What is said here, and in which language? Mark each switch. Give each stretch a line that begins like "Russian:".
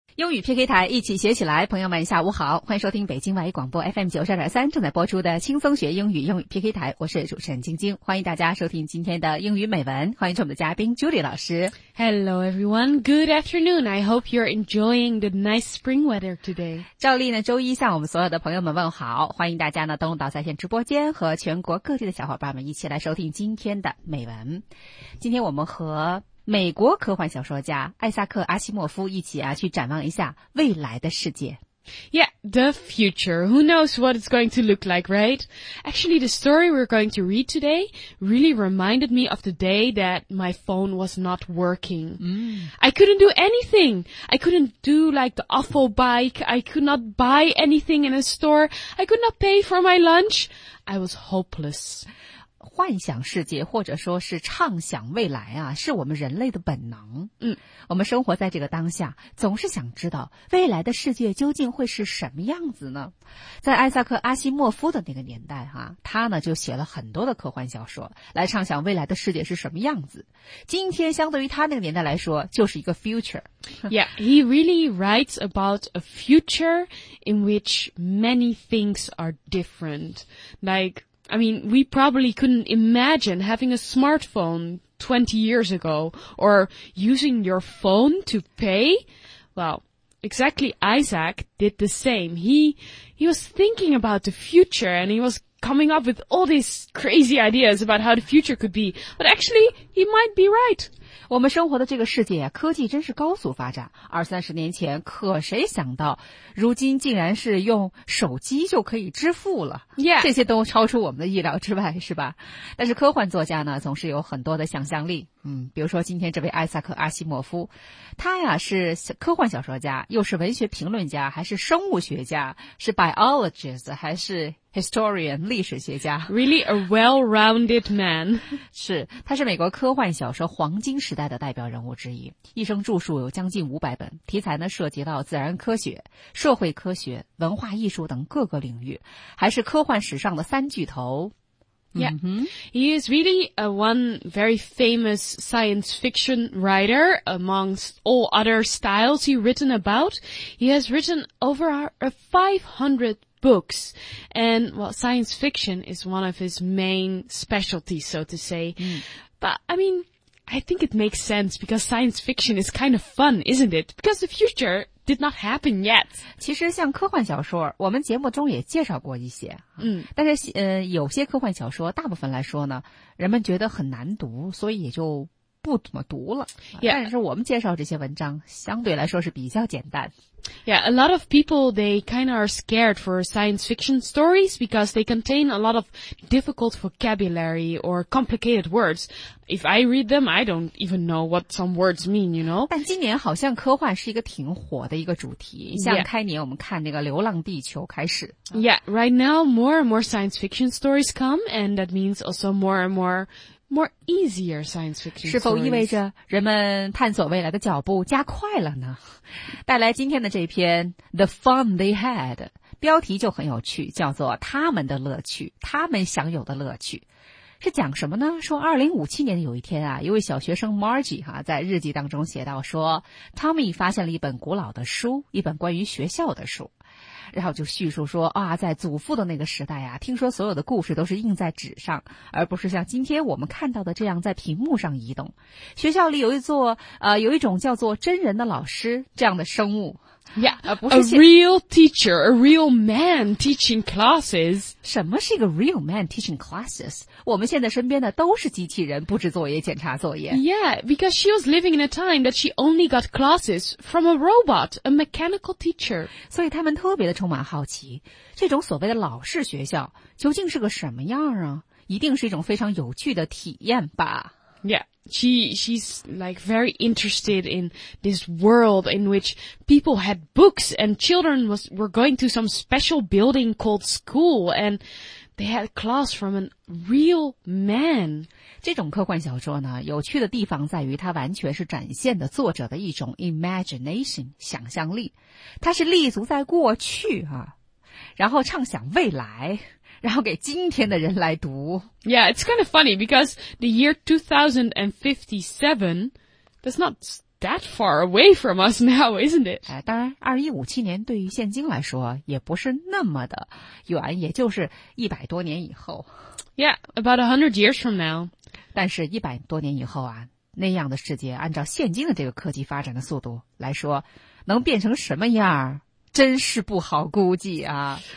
Chinese: 英语 PK 台一起学起来，朋友们下午好，欢迎收听北京外语广播 FM92.3 正在播出的轻松学英语英语 PK 台，我是主持人晶晶，欢迎大家收听今天的英语美文，欢迎我们的嘉宾 Julie 老师。
English: Hello everyone, good afternoon, I hope you're enjoying the nice spring weather today.
Chinese: 照例呢，周一向我们所有的朋友们问好，欢迎大家呢登录到在线直播间和全国各地的小伙伴们一起来收听今天的美文。今天我们和美国科幻小说家艾萨克·阿西莫夫一起啊，去展望一下未来的世界。
English: Yeah, the future. Who knows what it's going to look like, right? Actually, the story we're going to read today really reminded me of the day that my phone was not working. I couldn't do anything. I couldn't do like the awful bike. I could not buy anything in a store. I could not pay for my lunch. I was hopeless.
Chinese: 幻想世界或者说是畅想未来啊，是我们人类的本能。嗯，我们生活在这个当下，总是想知道未来的世界究竟会是什么样子呢？在艾萨克·阿西莫夫的那个年代啊，他呢就写了很多的科幻小说来畅想未来的世界是什么样子。今天相对于他那个年代来说就是一个 future。
English: Yeah, he really writes about a future in which many things are different. Like,I mean, we probably couldn't imagine having a smartphone 20 years ago or using your phone to pay. Well, exactly Isaac did the same. He was thinking about the future and he was coming up with all these crazy ideas about how the future could be. But actually, he might be right.
Chinese: 我们生活的这个世界科技真是高速发展，二三十年前可谁想到如今竟然是用手机就可以支付了、
English: yeah.
Chinese: 这些都超出我们的意料之外，是吧？但是科幻作家呢总是有很多的想象力，嗯，比如说今天这位艾萨克·阿西莫夫，他呀是科幻小说家，又是文学评论家，还是生物学家，是 biologist 还是historian, 历史学家。
English: Really a well-rounded man.
Chinese: 是，他是美国科幻小说黄金时代的代表人物之一。一生著述有将近500本，题材呢涉及到自然科学、社会科学、文化艺术等各个领域，还是科幻史上的三巨头。
English: Yeah, he is really a one very famous science fiction writer amongst all other styles he's written about. He has written over 500 books. And, well, science fiction is one of his main specialties, so to say. But, I mean, I think it makes sense because science fiction is kind of fun, isn't it? Because the future... did not happen yet.
Chinese: 其实像科幻小说我们节目中也介绍过一些。嗯，但是有些科幻小说大部分来说呢人们觉得很难读，所以也就不怎么读了。
English: Yeah.
Chinese: 但是我们介绍这些文章相对来说是比较简单。
English: Yeah, a lot of people, they kind of are scared for science fiction stories because they contain a lot of difficult vocabulary or complicated words. If I read them, I don't even know what some words mean, you know?
Chinese: 但今年好像科幻是一个挺火的一个主题。像开年我们看那个《流浪地球》开始。
English: Yeah, right now more and more science fiction stories come and that means also more and more... More easier science fiction.
Chinese: 是否意味着人们探索未来的脚步加快了呢？带来今天的这篇 The Fun They Had， 标题就很有趣，叫做他们的乐趣，他们享有的乐趣。是讲什么呢？说2057年的有一天啊，一位小学生 Margie 在日记当中写到说 ,Tommy 发现了一本古老的书，一本关于学校的书。然后就叙述说啊，在祖父的那个时代啊，听说所有的故事都是印在纸上，而不是像今天我们看到的这样在屏幕上移动。学校里有一座有一种叫做真人的老师这样的生物。
English: Yeah, a real teacher, a real man teaching classes.
Chinese: 什么是一个
English: real man teaching classes?
Chinese: 我们现在身边的都是机器人，布置作业，检查作业。
English: Yeah, because she was living in a time that she only got classes from a robot, a mechanical teacher.
Chinese: 所以他们特别的充满好奇，这种所谓的老式学校究竟是个什么样啊？一定是一种非常有趣的体验吧。
English: Yeah, she's like very interested in this world in which people had books and children were going to some special building called school and they had class from a real man.
Chinese: 这种科幻小说呢，有趣的地方在于它完全是展现的作者的一种 imagination, 想象力。它是立足在过去啊，然后畅想未来。然后给今天的人来读。
English: Yeah, it's kind of funny because the year 2057 does not that far away from us now, isn't it?
Chinese: 当然2157年对于现今来说也不是那么的远，也就是100多年以后。
English: Yeah, about 100 years from now.
Chinese: 但是100多年以后啊，那样的世界按照现今的这个科技发展的速度来说，能变成什么样真是不好估计啊。